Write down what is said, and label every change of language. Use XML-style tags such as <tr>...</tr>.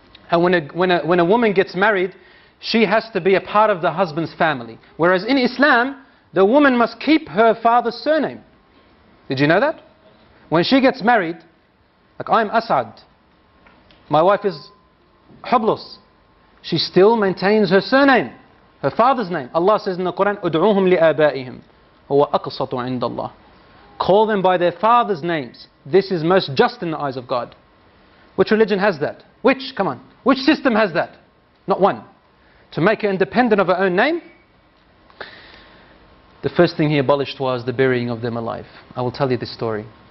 <en>And when a woman gets married, she has to be a part of the husband's family. Whereas in Islam, the woman must keep her father's surname. Did you know that? When she gets married, like I'm Assad, my wife is Hublus, she still maintains her surname, her father's name. Allah says in the Quran,</en> <ar>أُدْعُوهُمْ لِآبَائِهِمْ هُوَ أَقْصَطُ عِنْدَ اللَّهِ.</ar> <en>Call them by their father's names. This is most just in the eyes of God. Which religion has that? Which? Come on. Which system has that? Not one. To make her independent of her own name? The first thing he abolished was the burying of them alive. I will tell you this story.</en>